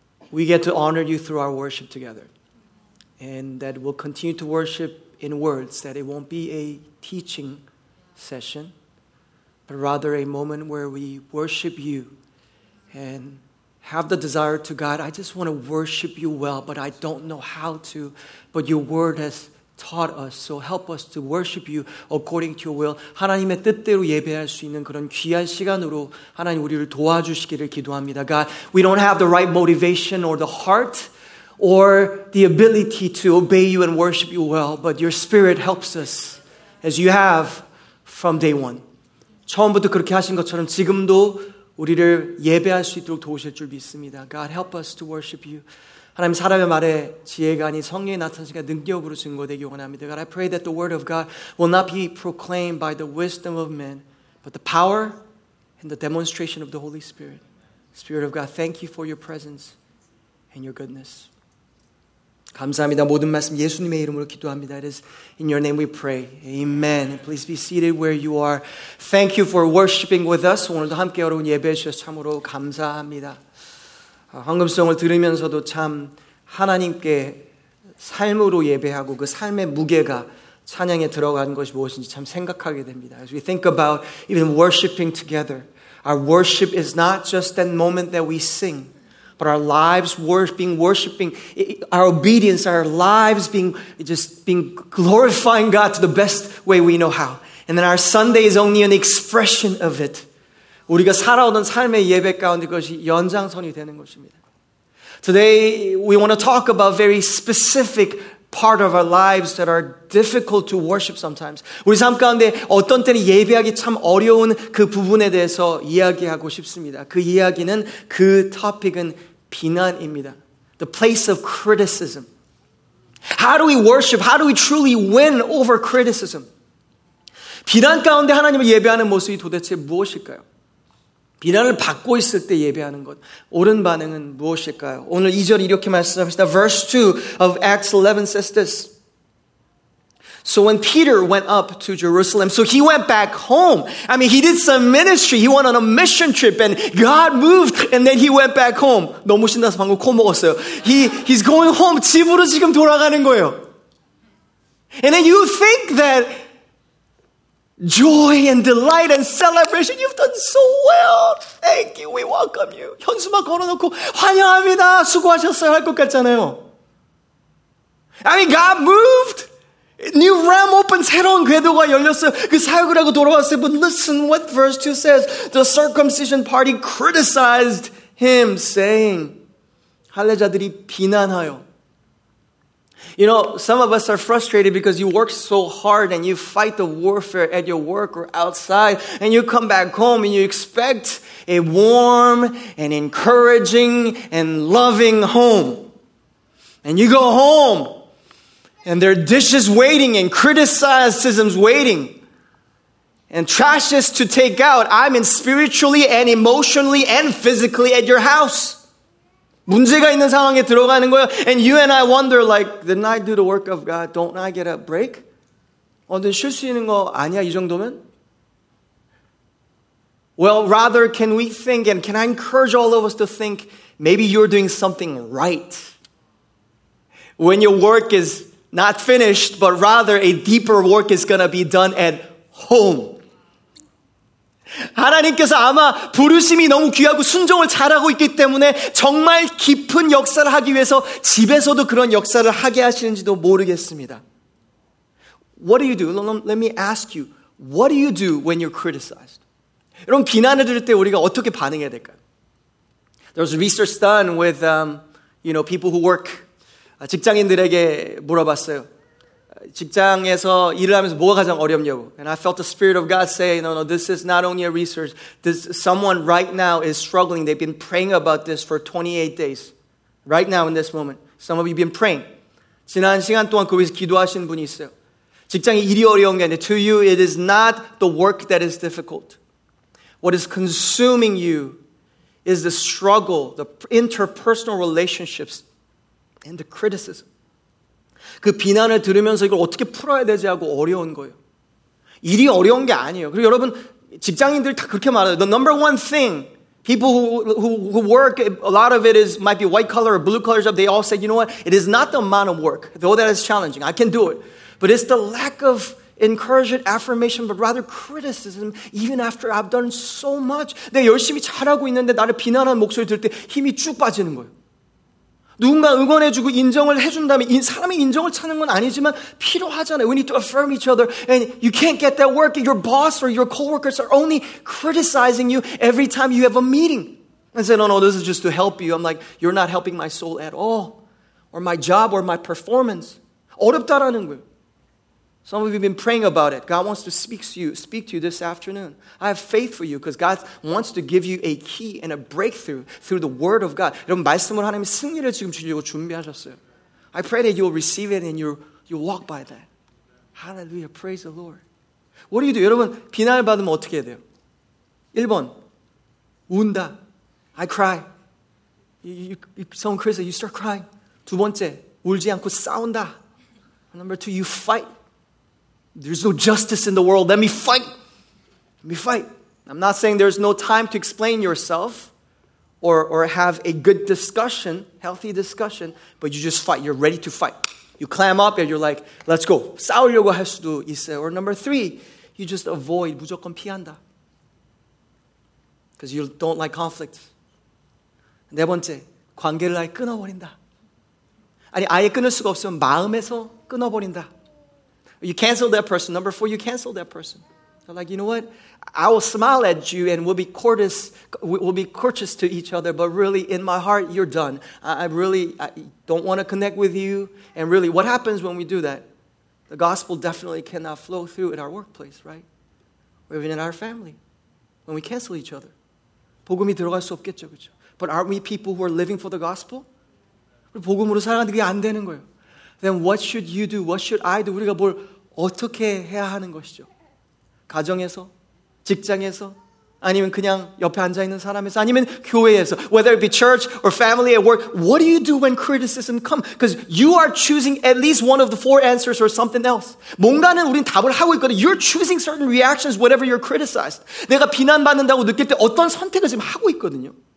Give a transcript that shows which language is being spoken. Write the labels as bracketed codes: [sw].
[en] we get to honor you through our worship together and that we'll continue to worship in words, that it won't be a teaching session, but rather a moment where we worship you and have the desire to God, I just want to worship you well, but I don't know how to, but your word has taught us, so help us to worship you according to your will. [ko] 하나님의 뜻대로 예배할 수 있는 그런 귀한 시간으로 하나님 우리를 도와주시기를 기도합니다. [en] God, we don't have the right motivation or the heart or the ability to obey you and worship you well, but your spirit helps us as you have from day one. [ko] 처음부터 그렇게 하신 것처럼 지금도 우리를 예배할 수 있도록 도우실 줄 믿습니다. [en] God, help us to worship you. [ko] 하나님, 사람의 말에 지혜가 아닌 성령이 나타나시니까 능력으로 증거되기 원합니다. [en] God, I pray that the word of God will not be proclaimed by the wisdom of men, but the power and the demonstration of the Holy Spirit. Spirit of God, thank you for your presence and your goodness. [ko] 감사합니다. 모든 말씀 예수님의 이름으로 기도합니다. [en] It is in your name we pray. Amen. Please be seated where you are. Thank you for worshiping with us. [ko] 오늘도 함께 여러분 예배해 주셔서 참으로 감사합니다. 황금성을 들으면서도 참 하나님께 삶으로 예배하고 그 삶의 무게가 찬양에 들어간 것이 무엇인지 참 생각하게 됩니다. [en] As we think about even worshiping together, our worship is not just that moment that we sing. But our lives worshiping, our obedience, our lives being glorifying God to the best way we know how. And then our Sunday is only an expression of it. [ko] 우리가 살아오는 삶의 예배 가운데 그것이 연장선이 되는 것입니다. [en] Today, we want to talk about very specific part of our lives that are difficult to worship sometimes. [ko] 우리 삶 가운데 어떤 때는 예배하기 참 어려운 그 부분에 대해서 이야기하고 싶습니다. 그 이야기는, 그 topic은 비난입니다. [en] The place of criticism. How do we worship? How do we truly win over criticism? [ko] 비난 가운데 하나님을 예배하는 모습이 도대체 무엇일까요? 비난을 받고 있을 때 예배하는 것, 옳은 반응은 무엇일까요? 오늘 2절 이렇게 말씀합니다. [en] Verse 2 of Acts 11 says this. So when Peter went up to Jerusalem, so he went back home. I mean, he did some ministry. He went on a mission trip and God moved and then he went back home. [ko] 너무 신나서 방금 코 먹었어요. [en] He's going home. [ko] 집으로 지금 돌아가는 거예요. [en] And then you think that joy and delight and celebration, you've done so well. Thank you. We welcome you. [ko] 현수막 걸어놓고 환영합니다. 수고하셨어요 할 것 같잖아요. [en] I mean, God moved. New realm opened, [ko] 새로운 궤도가 열렸어요. 그 사역을 하고 돌아왔어요. [en] But listen what verse 2 says. The circumcision party criticized him, saying, [ko] 할례자들이 비난하여. [en] You know, some of us are frustrated because you work so hard and you fight the warfare at your work or outside, and you come back home and you expect a warm and encouraging and loving home. And you go home and there are dishes waiting and criticisms waiting and trashes to take out. I mean spiritually and emotionally and physically at your house. [ko] 문제가 있는 상황에 들어가는 거예요. [en] And you and I wonder, like, didn't I do the work of God? Don't I get a break? [ko] 언젠 쉴 수 있는 거 아니야, 이 정도면? [en] Well, rather, can we think, and can I encourage all of us to think, maybe you're doing something right. When your work is not finished, but rather a deeper work is going to be done at home. [ko] 하나님께서 아마 부르심이 너무 귀하고 순종을 잘하고 있기 때문에 정말 깊은 역사를 하기 위해서 집에서도 그런 역사를 하게 하시는지도 모르겠습니다. [en] What do you do? Let me ask you. What do you do when you're criticized? [ko] 여러분, 비난을 들을 때 우리가 어떻게 반응해야 될까요? [en] There was research done with you know, people who work. [ko] 직장인들에게 물어봤어요. 직장에서 일을 하면서 뭐가 가장 어렵냐고. [en] And I felt the Spirit of God say, no, no, this is not only a research. This, someone right now is struggling. They've been praying about this for 28 days. Right now in this moment. Some of you have been praying. [ko] 지난 시간 동안 그 위해서 기도하신 분이 있어요. 직장에 일이 어려운 게 아니라, [en] to you, it is not the work that is difficult. What is consuming you is the struggle, the interpersonal relationships, and the criticism. [ko] 그 비난을 들으면서 이걸 어떻게 풀어야 되지 하고 어려운 거예요. 일이 어려운 게 아니에요. 그리고 여러분, 직장인들이 다 그렇게 말해요. [en] The number one thing, people who work, a lot of it is might be white collar or blue collar job, they all say, you know what, it is not the amount of work, though that is challenging, I can do it. But it's the lack of encouragement, affirmation, but rather criticism, even after I've done so much. [ko] 내가 열심히 잘하고 있는데 나를 비난하는 목소리 들 때 힘이 쭉 빠지는 거예요. 누군가 응원해주고 인정을 해준다면 사람이 인정을 찾는 건 아니지만 필요하잖아요. [en] We need to affirm each other. And you can't get that work. Your boss or your coworkers are only criticizing you every time you have a meeting. And say, no, no, this is just to help you. I'm like, you're not helping my soul at all. Or my job or my performance. [ko] 어렵다라는 거예요. [en] Some of you have been praying about it. God wants to speak to you this afternoon. I have faith for you because God wants to give you a key and a breakthrough through the word of God. [ko] 여러분, 말씀으로 하나님이 승리를 지금 주려고 준비하셨어요. [en] I pray that you will receive it and you'll walk by that. Hallelujah. Praise the Lord. What do you do? [ko] 여러분, 비난을 받으면 어떻게 해야 돼요? 1번, 운다. [en] I cry. Someone cries, you start crying. [ko] 두 번째, 울지 않고 싸운다. [en] Number two, you fight. There's no justice in the world. Let me fight. Let me fight. I'm not saying there's no time to explain yourself or have a good discussion, healthy discussion, but you just fight. You're ready to fight. You clam up and you're like, let's go. [ko] 싸우려고 할 수도 있어요. [en] Or number three, you just avoid. [ko] 무조건 피한다. [en] Because you don't like conflict. [ko] 네 번째, 관계를 아예 끊어버린다. 아니, 아예 끊을 수가 없으면 마음에서 끊어버린다. [en] You cancel that person. Number four, you cancel that person. They're like, you know what? I will smile at you and we'll be courteous to each other, but really, in my heart, you're done. I don't want to connect with you. And really, what happens when we do that? The gospel definitely cannot flow through in our workplace, right? Or even in our family, when we cancel each other. [ko] 복음이 들어갈 수 없겠죠, 그렇죠? [en] But aren't we people who are living for the gospel? [ko] 복음으로 살아가는 게 안 되는 거예요. [en] Then what should you do? What should I do? [ko] 우리가 뭘 어떻게 해야 하는 것이죠? 가정에서, 직장에서, 아니면 그냥 옆에 앉아 있는 사람에서, 아니면 교회에서, [en] whether it be church or family at work, what do you do when criticism comes? Because you are choosing at least one of the four answers or something else. [ko] 뭔가는 우린 답을 하고 있거든. [en] You're choosing certain reactions whenever you're criticized. [ko] 내가 비난받는다고 느낄 때 어떤 선택을 지금 하고 있거든요.